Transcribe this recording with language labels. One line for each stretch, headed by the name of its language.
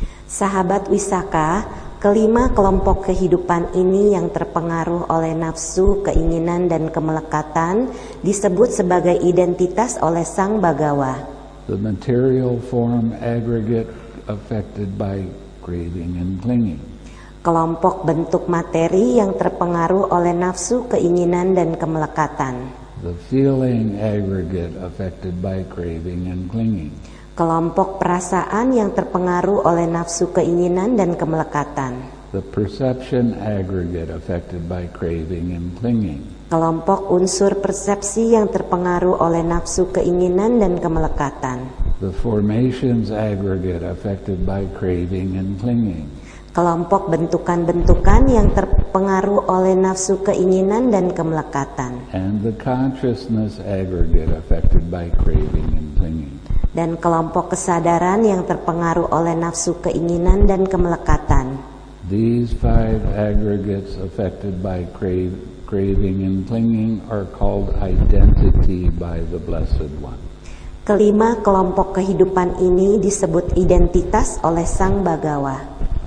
Indonesian: Sahabat Visakha, kelima kelompok kehidupan ini yang terpengaruh oleh nafsu, keinginan, dan kemelekatan disebut sebagai identitas oleh Sang Bhagawa.
English: The material form aggregate affected by craving and clinging.
Indonesian: Kelompok bentuk materi yang terpengaruh oleh nafsu, keinginan, dan kemelekatan.
English: The feeling aggregate affected by craving and clinging.
Indonesian: Kelompok perasaan yang terpengaruh oleh nafsu, keinginan, dan kemelekatan.
English: The perception aggregate affected by craving and clinging.
Indonesian: Kelompok unsur persepsi yang terpengaruh oleh nafsu, keinginan, dan kemelekatan.
English: The formations aggregate affected by craving and clinging.
Indonesian: Kelompok bentukan-bentukan yang terpengaruh oleh nafsu, keinginan, dan kemelekatan.
English: And the consciousness aggregate affected by craving and clinging.
Indonesian: Dan kelompok kesadaran yang terpengaruh oleh nafsu, keinginan, dan kemelekatan.
English: These five aggregates affected by craving and clinging are called identity by the Blessed One.
Indonesian: Kelima kelompok kehidupan ini disebut identitas oleh Sang Bhagawa.